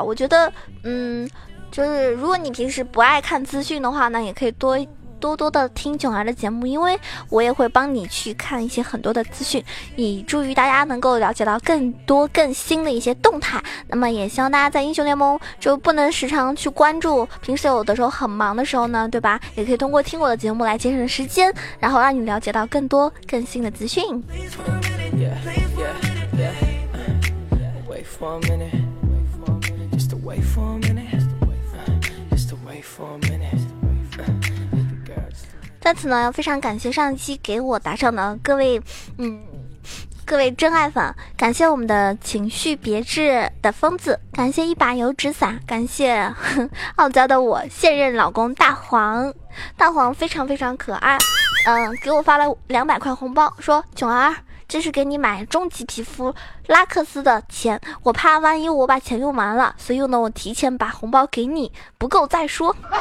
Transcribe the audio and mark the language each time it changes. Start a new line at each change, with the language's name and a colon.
Chinese: 我觉得就是如果你平时不爱看资讯的话呢，也可以多多的听囧儿的节目，因为我也会帮你去看一些很多的资讯，以助于大家能够了解到更多更新的一些动态。那么也希望大家在英雄联盟就不能时常去关注，平时有的时候很忙的时候呢，对吧，也可以通过听我的节目来节省时间，然后让你了解到更多更新的资讯。
English: Wait for a minute, just wait for a minute, just wait for a minute.
Chinese: 在此呢，要非常感谢上期给我打赏的各位，各位真爱粉，感谢我们的情绪别致的疯子，感谢一把油纸伞，感谢傲娇的我现任老公大黄，大黄非常非常可爱，给我发了200块红包，说囧儿，这是给你买终极皮肤拉克斯的钱，我怕万一我把钱用完了，所以呢，我提前把红包给你，不够再说。